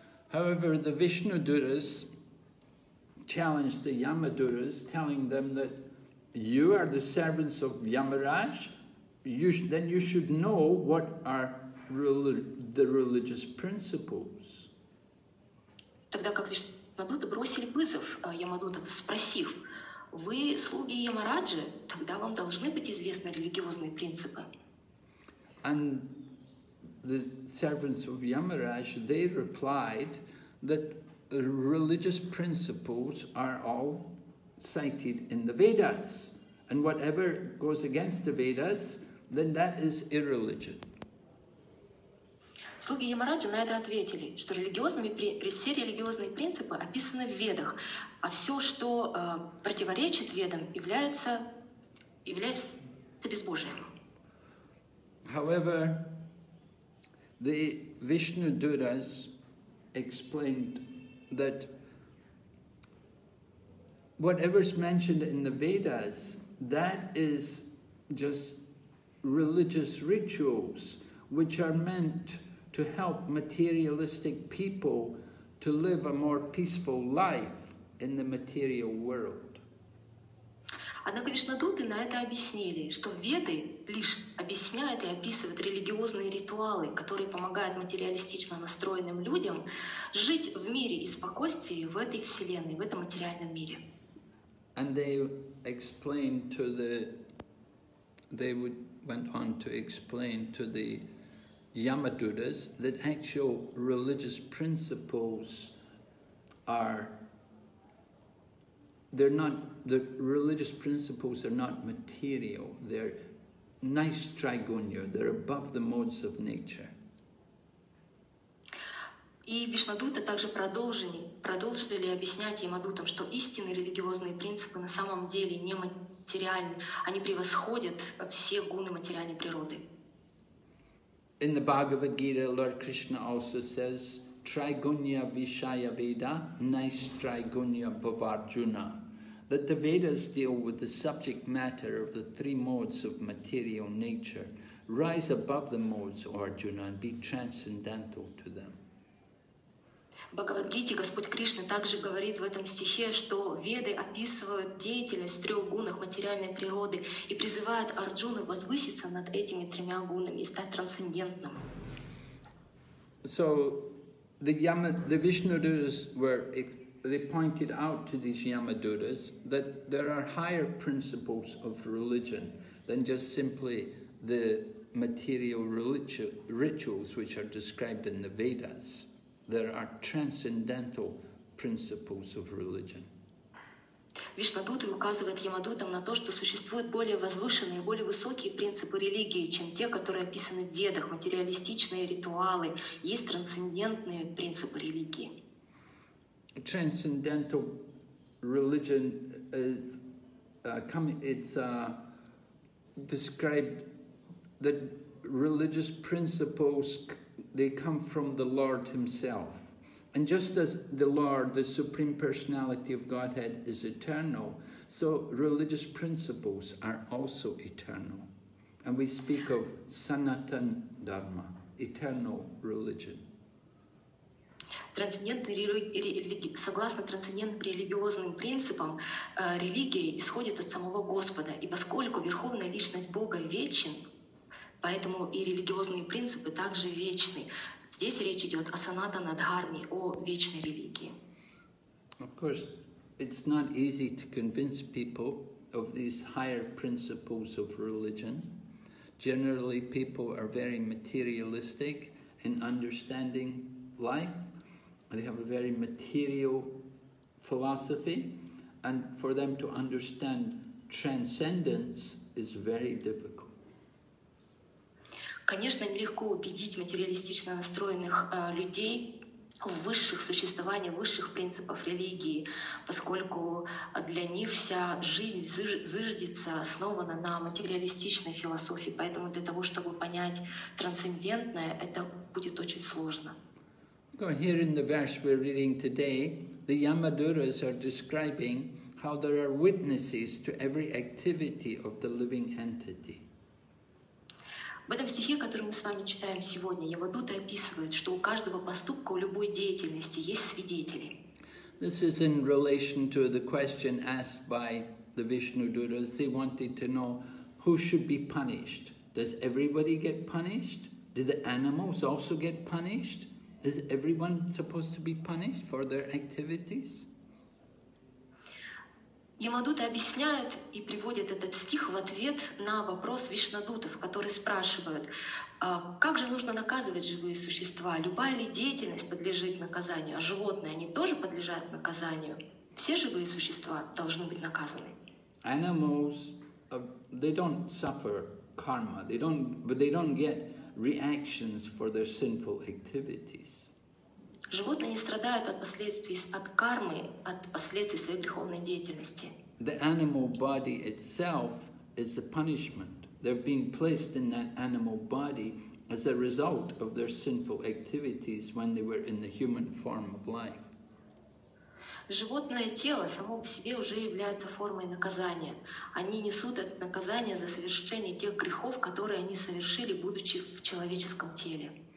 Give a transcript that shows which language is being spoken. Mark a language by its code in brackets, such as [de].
[en] However, the Vishnu Duras challenged the Yamaduras, telling them that you are the servants of Yamaraj. Then you should know what are the religious principles. [ru] Тогда как Вишнадуты бросили вызов Ямадутам, спросив, вы слуги Ямараджи, тогда вам должны быть известны религиозные принципы. [en] And the servants of Yamaraj, they replied that religious principles are all cited in the Vedas. And whatever goes against the Vedas, then that is irreligion. [ru] Слуги Ямараджи на это ответили, что все религиозные принципы описаны в Ведах, а все, что противоречит Ведам, является безбожием. [en] However, the Vishnu Duras explained that whatever is mentioned in the Vedas, that is just religious rituals which are meant to help materialistic people to live a more peaceful life in the material world. [ru] Однако Вишнадуты на это объяснили, что Веды лишь объясняют и описывают религиозные ритуалы, которые помогают материалистично настроенным людям жить в мире и спокойствии в этой вселенной, в этом материальном мире. [en] And they explained to the they would went on to explain to the Yamadutas that actual religious principles are not material, they're nice trigunya, they're above the modes of nature. [ru] И Вишнадуты также продолжили объяснять Ямадутам, что истинные религиозные принципы на самом деле не материальны, они превосходят все гуны материальной природы. [en] In the Bhagavad Gita, Lord Krishna also says, [sa] Trigunya Vishaya Veda, Nais Trigunya Bhavarjuna, [en] that the Vedas deal with the subject matter of the three modes of material nature. Rise above the modes, Arjuna, and be transcendental to them. [ru] В Бхагавад-гите Господь Кришна также говорит в этом стихе, что Веды описывают деятельность в трех гунах материальной природы и призывают Арджуну возвыситься над этими тремя гунами и стать трансцендентным. [en] So the Vishnudutas they pointed out to these Yamadutas that there are higher principles of religion than just simply the material rituals which are described in the Vedas. There are transcendental principles of religion. [ru] Вишнадуты указывают Ямадутам на то, что существуют более возвышенные, более высокие принципы религии, чем те, которые описаны в Ведах, материалистичные ритуалы. Есть трансцендентные принципы религии. [en] Transcendental religion is described that religious principles they come from the Lord Himself. And just as the Lord, the Supreme Personality of Godhead, is eternal, so religious principles are also eternal. And we speak of Sanatan Dharma, eternal religion. [ru] Согласно трансцендентным религиозным принципам, религия исходит от самого Господа, и поскольку Верховная Личность Бога вечен, поэтому и религиозные принципы также вечны. Здесь речь идет о санатанадхарме, о вечной религии. [en] Of course, it's not easy to convince people of these higher principles of religion. Generally, people are very materialistic in understanding life. They have a very material philosophy, and for them to understand transcendence is very difficult. [ru] Конечно, нелегко убедить материалистично настроенных людей в высших существованиях, высших принципах религии, поскольку для них вся жизнь зыждется, основана на материалистичной философии. Поэтому для того, чтобы понять трансцендентное, это будет очень сложно. [en] Here in the verse we're reading today, the Yamadutas are describing how there are witnesses to every activity of the living entity. [ru] В этом стихе, который мы с вами читаем сегодня, Ямадута описывает, что у каждого поступка, у любой деятельности есть свидетели. [en] This is in relation to the question asked by the Vishnudutas. They wanted to know who should be punished. Does everybody get punished? Do the animals also get punished? Is everyone supposed to be punished for their activities? [ru] Ямадуты объясняют и приводят этот стих в ответ на вопрос вишнадутов, которые спрашивают, как же нужно наказывать живые существа? Любая ли деятельность подлежит наказанию? А животные, они тоже подлежат наказанию? Все живые существа должны быть наказаны. [en] Animals, they don't suffer karma, but they don't get reactions for their sinful activities. [ru] Животные не страдают от последствий от кармы, от последствий своей греховной деятельности. [en] The animal body itself is the punishment. They're being placed in that animal body as a result of their sinful activities when they were in the human form of life. [ru] Животное тело само по себе уже является формой наказания. Они несут это наказание за совершение тех грехов, которые они совершили, будучи в человеческом теле.